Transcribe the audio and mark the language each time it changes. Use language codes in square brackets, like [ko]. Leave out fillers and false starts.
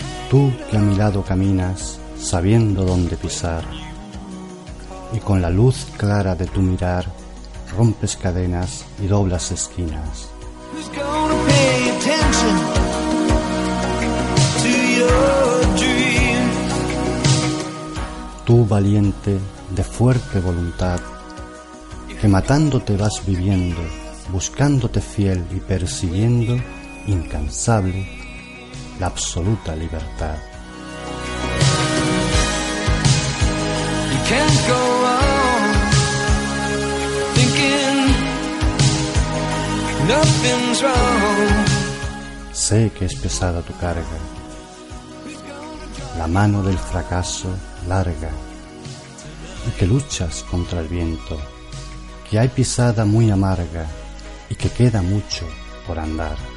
[es] Tú que a mi lado caminas, sabiendo dónde pisar, y con la luz clara de tu mirar, rompes cadenas y doblas esquinas. [en] Who's gonna pay attention to your dream? [es] Tú valiente, de fuerte voluntad, que matándote vas viviendo, buscándote fiel y persiguiendo, incansable, la absoluta libertad. [en] You can't go on thinking nothing's wrong. [es] Sé que es pesada tu carga, la mano del fracaso larga, y que luchas contra el viento, que hay pisada muy amarga y que queda mucho por andar.